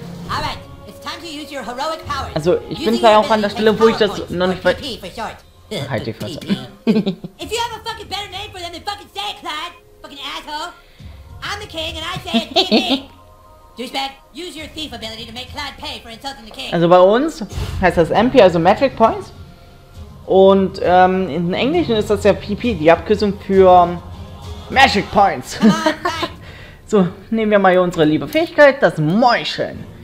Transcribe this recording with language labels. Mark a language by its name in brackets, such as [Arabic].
[English] Alright, it's time to use your heroic powers. [German] Also ich bin zwar auch an der Stelle, wo ich das noch nicht weiß. Halt die Fresse. [English] If you have a fucking better name for them, then fucking say it, Clyde. Fucking asshole. I'm the king and I say it. Douchebag, use your thief ability to make Clyde pay for insulting the king. [German] Also bei uns heißt das MP, also Metric Points. Und in Englischen ist das ja PP, die Abkürzung für Magic Points. So, nehmen wir mal hier unsere liebe Fähigkeit, das Meucheln.